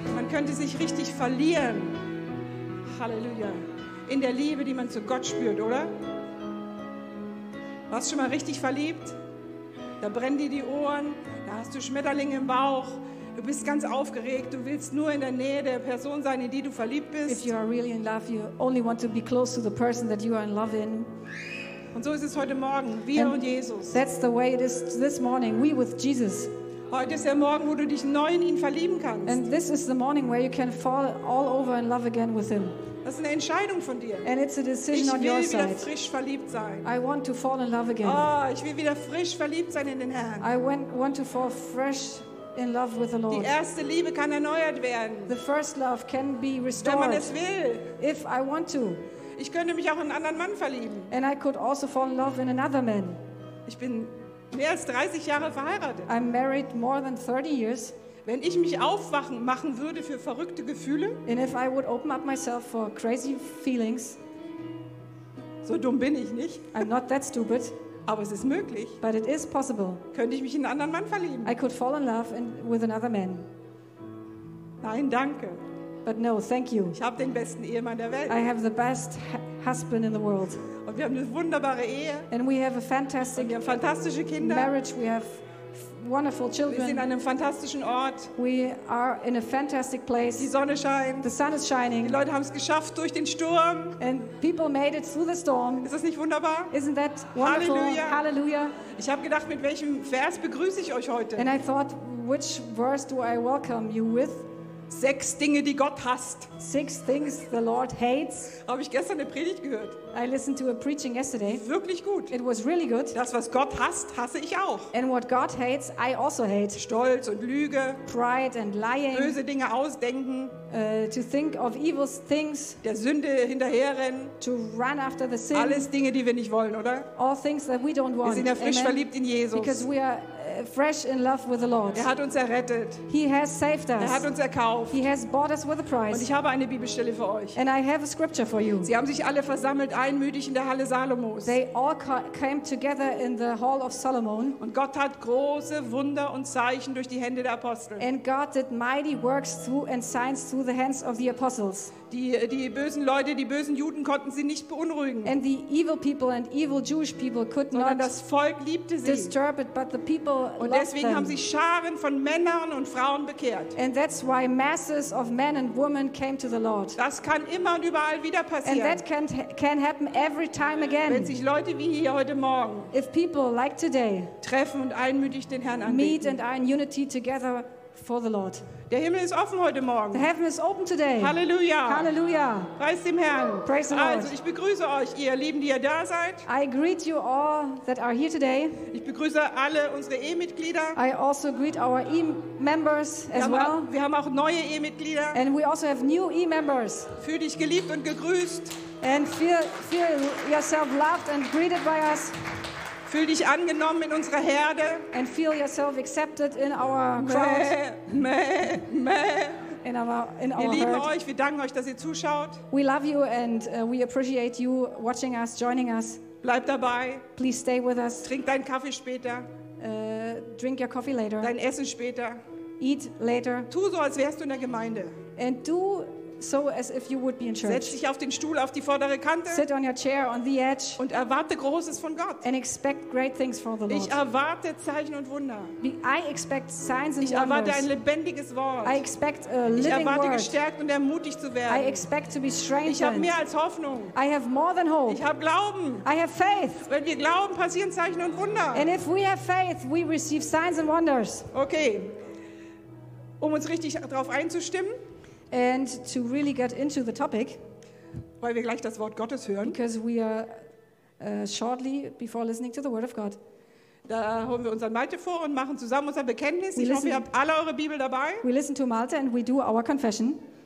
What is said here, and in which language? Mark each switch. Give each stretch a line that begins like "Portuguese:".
German: könnte sich richtig verlieren. Halleluja. In der Liebe, die man zu Gott spürt, oder? Warst du schon mal richtig verliebt? Da brennen dir die Ohren, da hast du Schmetterlinge im Bauch, du bist ganz aufgeregt, du willst nur in der Nähe der Person sein, in die du verliebt bist.
English: If you are really in love, you only want to be close to the person that you are in love in.
German: Und so ist es heute Morgen, wir and und Jesus.
English: That's the way it is this morning, we with Jesus.
German: Heute ist der Morgen, wo du dich neu in ihn verlieben kannst.
English: And this is the morning where you can fall all over in love again with him.
German: Das ist eine Entscheidung von dir.
English: And it's a decision on your side.
German: Ich will wieder frisch verliebt sein.
English: I want to fall in love again.
German: Oh, ich will wieder frisch verliebt sein in den Herrn.
English: I want to fall fresh in love with the Lord.
German: Die erste Liebe kann erneuert werden.
English: The first love can be restored.
German: Wenn man es will.
English: If I want to.
German: Ich könnte mich auch in einen anderen Mann verlieben.
English: And I could also fall in love in another man.
German: Ich bin mehr als 30 Jahre verheiratet.
English: I'm married more than 30 years.
German: Wenn ich mich aufwachen machen würde für verrückte Gefühle,
English: and if I would open up myself for crazy feelings,
German: so dumm bin ich nicht.
English: I'm not that stupid.
German: Aber es ist möglich.
English: But it is possible.
German: Könnte ich mich in einen anderen Mann verlieben?
English: I could fall in love with another man.
German: Nein, danke.
English: But no, thank you.
German: Ich habe den besten Ehemann der Welt.
English: I have the best husband in the world.
German: Und wir haben eine wunderbare Ehe.
English: And we have a fantastic
German: und wir haben fantastische Kinder.
English: Marriage. We have wonderful children.
German: Wir sind an einem fantastischen Ort.
English: We are in a fantastic place.
German: Die Sonne scheint.
English: The sun is shining.
German: Die Leute haben es geschafft durch den Sturm.
English: And people made it through the storm.
German: Ist das nicht wunderbar?
English: Isn't that wonderful?
German: Halleluja. Halleluja. Ich habe gedacht, mit welchem Vers begrüße ich euch heute?
English: And I thought, which verse do I welcome you with?
German: Sechs Dinge, die Gott hasst.
English: Six things the Lord hates.
German: Habe ich gestern eine Predigt gehört.
English: I listened to a preaching yesterday.
German: Wirklich gut.
English: It was really good.
German: Das, was Gott hasst, hasse ich auch.
English: And what God hates, I also hate.
German: Stolz und Lüge.
English: Pride and lying.
German: Böse Dinge ausdenken.
English: To think of evil things.
German: Der Sünde hinterherrennen.
English: To run after the sin.
German: Alles Dinge, die wir nicht wollen, oder?
English: All things that we don't want.
German: Wir sind ja frisch Amen. Verliebt in Jesus.
English: Because we are fresh in love with the Lord.
German: Er hat uns errettet.
English: He has saved us.
German: Er hat uns erkauft.
English: He has bought us with a price.
German: Und ich habe eine Bibelstelle für euch.
English: And I have a scripture for you.
German: Sie haben sich alle versammelt, einmütig in der Halle Salomos.
English: They all came together in the hall of Solomon.
German: Und Gott hat große Wunder und Zeichen durch die Hände der Apostel.
English: And God did mighty works through and signs through the hands of the apostles.
German: Die bösen Leute, die bösen Juden konnten sie nicht beunruhigen.
English: And the evil people and evil Jewish people could
German: sondern das Volk liebte sie.
English: Disturb it, but the people
German: und deswegen
English: them.
German: Haben sie Scharen von Männern und Frauen bekehrt.
English: And that's why masses of men and women came to the Lord.
German: Das kann immer und überall wieder passieren.
English: And that can happen every time again.
German: Wenn sich Leute wie hier heute Morgen
English: if people like today
German: treffen und einmütig den Herrn anbeten.
English: Meet and are in unity together for the Lord.
German: Der Himmel ist offen heute Morgen.
English: The heaven is open today.
German: Halleluja.
English: Halleluja.
German: Preist dem Herrn.
English: Praise the Lord.
German: Also, ich begrüße euch, ihr Lieben, die ihr da seid.
English: I greet you all that are here today.
German: Ich begrüße alle unsere E-Mitglieder.
English: I also greet our E-Members as well.
German: Wir haben auch neue E-Mitglieder.
English: And we also have new E-Members.
German: Fühl dich geliebt und gegrüßt.
English: And feel yourself loved and greeted by us.
German: Fühl dich angenommen in unserer Herde.
English: And feel yourself accepted in our crowd.
German: Wir lieben euch, wir danken euch, dass ihr zuschaut.
English: We love you and we appreciate you watching us, joining us.
German: Bleib dabei.
English: Please stay with us.
German: Trink deinen Kaffee später.
English: Drink your coffee later.
German: Dein Essen später.
English: Eat later.
German: Tu so, als wärst du in der Gemeinde.
English: And do so as if you would be in church.
German: Setz dich auf den Stuhl, auf die vordere Kante.
English: Sit on your chair on the edge.
German: Und erwarte Großes von Gott.
English: And expect great things from the Lord.
German: Ich erwarte Zeichen und Wunder.
English: I expect signs and
German: ich erwarte
English: wonders.
German: Ein lebendiges Wort.
English: I expect a living
German: ich erwarte
English: word.
German: Gestärkt und ermutigt zu werden.
English: I expect to be strengthened.
German: Ich habe mehr als Hoffnung.
English: I have more than hope.
German: Ich habe Glauben.
English: I have faith.
German: Wenn wir glauben, passieren Zeichen und Wunder.
English: And if we have faith, we receive signs and wonders. Okay.
German: Um uns richtig darauf einzustimmen.
English: And to really get into the topic,
German: weil wir gleich das Wort Gottes hören,
English: because we are shortly before listening to the Word of God.
German: Da holen wir unseren Malte vor und machen zusammen unser Bekenntnis. Ich hoffe, ihr habt alle eure Bibel dabei.
English: We listen to Malte and we do our confession.